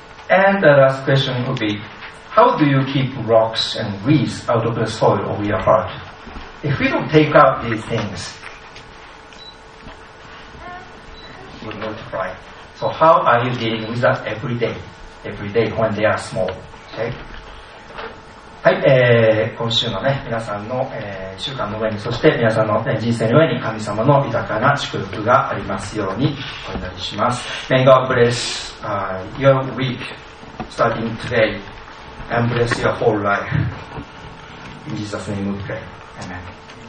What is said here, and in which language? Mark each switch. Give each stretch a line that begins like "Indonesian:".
English: And the last question would be, how do you keep rocks and weeds out of the soil of your heart? If we don't take up these things,will multiply. So how are you dealing with that every day? Every day when they are small. Okay?
Japanese: はい、今週のね、皆さんの、週間の上に、そして皆さんの、人生の上に神様の豊かな祝福がありますようにお祈りします。
English: May God bless your week starting today and bless your whole life. In Jesus' name we pray. Amen.